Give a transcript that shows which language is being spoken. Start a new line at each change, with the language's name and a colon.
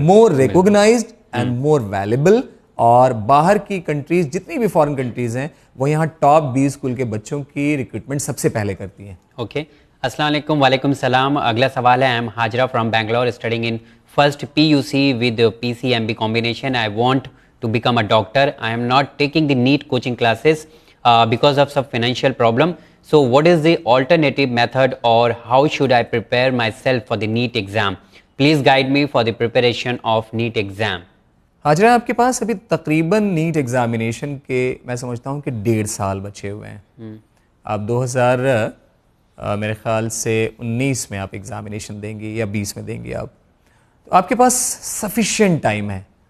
English: More recognized and more valuable.
Urdu: اور باہر کی کنٹریز، جتنی بھی فارن کنٹریز ہیں، وہ یہاں ٹاپ بی اسکول کے بچوں کی ریکروٹمنٹ سب سے پہلے کرتی ہیں. اوکے، السلام علیکم. وعلیکم السلام. اگلا سوال ہے،
English: I am Hajira from Bangalore studying in First PUC with PC MB combination. I want to become a doctor. I am not taking the NEET coaching classes because of some financial problem. So what is the alternative method or how should I prepare myself for the NEET exam? Please guide me for the preparation of NEET exam.
Urdu: Hajra, آپ کے پاس ابھی تقریباً NEET examination کے میں سمجھتا ہوں کہ 1.5 سال بچے ہوئے ہیں. آپ 2019 میرے خیال سے 19 میں آپ examination دیں گے یا 20 میں دیں گے آپ، تو آپ کے پاس سفیشینٹ ٹائم ہے.